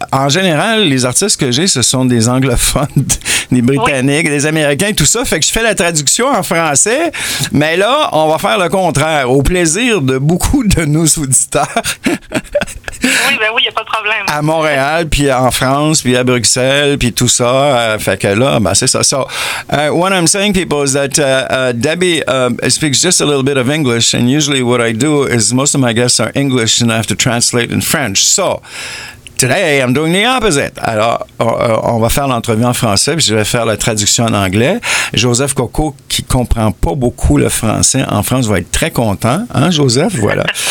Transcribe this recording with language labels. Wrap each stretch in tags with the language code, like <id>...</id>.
<fr>En général, les artistes que j'ai, ce sont des anglophones, des Britanniques, oui, des Américains, tout ça. Fait que je fais la traduction en français. Mais là, on va faire le contraire. Au plaisir de beaucoup de nos auditeurs. Oui, ben oui, il n'y a pas de problème. À Montréal, puis en France, puis à Bruxelles, puis tout ça. Fait que là, ben c'est ça.</fr> <en>So, what I'm saying, people, is that Debbie speaks just a little bit of English, and usually what I do is most of my guests are English, and I have to translate in French. So, today, I'm doing the opposite.</en> <fr>Alors, on va faire l'entrevue en français, puis je vais faire la traduction en anglais. Joseph Coco, qui ne comprend pas beaucoup le français en France, va être très content. Hein, Joseph? Voilà.</fr>